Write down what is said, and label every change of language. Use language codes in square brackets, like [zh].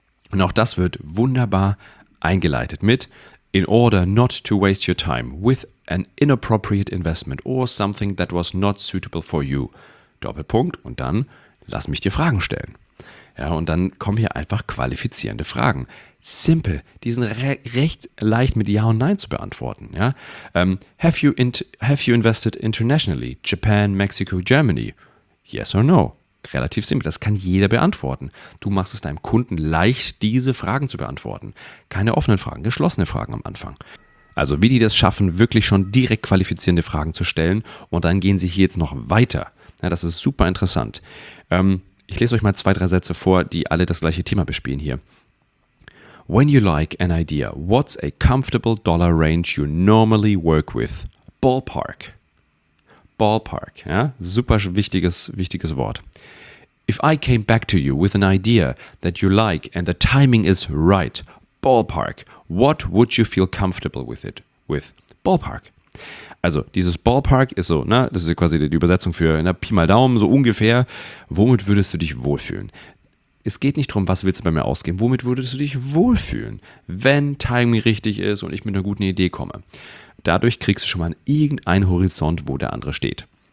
[de] Und auch das wird wunderbar eingeleitet mit [en] in order not to waste your time with an inappropriate investment or something that was not suitable for you. [de] Doppelpunkt und dann lass mich dir Fragen stellen. Ja, und dann kommen hier einfach qualifizierende Fragen. Simple, die sind recht leicht mit Ja und Nein zu beantworten. Ja? [en] Have you invested internationally? Japan, Mexico, Germany? Yes or no? [de] Relativ simpel, das kann jeder beantworten. Du machst es deinem Kunden leicht, diese Fragen zu beantworten. Keine offenen Fragen, geschlossene Fragen am Anfang. Also wie die das schaffen, wirklich schon direkt qualifizierende Fragen zu stellen und dann gehen sie hier jetzt noch weiter. Ja, das ist super interessant. Ich lese euch mal zwei, drei Sätze vor, die alle das gleiche Thema bespielen hier. [en] When you like an idea, what's a comfortable dollar range you normally work with? Ballpark. Ballpark, [de] ja, super wichtiges Wort. [en] If I came back to you with an idea that you like and the timing is right, ballpark, what would you feel comfortable with it? With ballpark. [de] Also dieses Ballpark ist so, ne, das ist quasi die Übersetzung für na, Pi mal Daumen, so ungefähr, womit würdest du dich wohlfühlen? Es geht nicht darum, was willst du bei mir ausgeben, womit würdest du dich wohlfühlen, wenn Timing richtig ist und ich mit einer guten Idee komme. Dadurch kriegst du schon mal irgendeinen Horizont, wo der andere steht.